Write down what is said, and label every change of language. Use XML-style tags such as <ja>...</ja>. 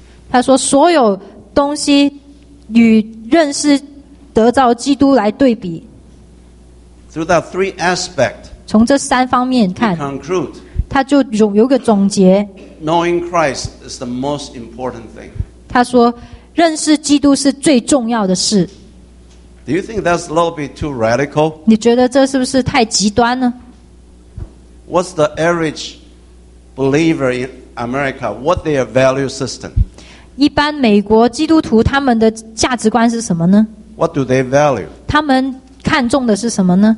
<zh>他说所有东西与认识得着基督来对比</zh> <en>through that three aspect</en> <zh>从这三方面看</zh> <en>conclude,</en> <zh>他就有个总结</zh> <en>knowing Christ is the most important thing</en> <zh>他说认识基督是最重要的事</zh> <en>do you think that's a little bit too radical</en> <zh>你觉得这是不是太极端呢</zh> <en>What's the average believer in America? What their value system?</en> <zh>一般美国基督徒他们的价值观是什么呢</zh> <en>？What do they value?</en> <zh>他们看重的是什么呢</zh>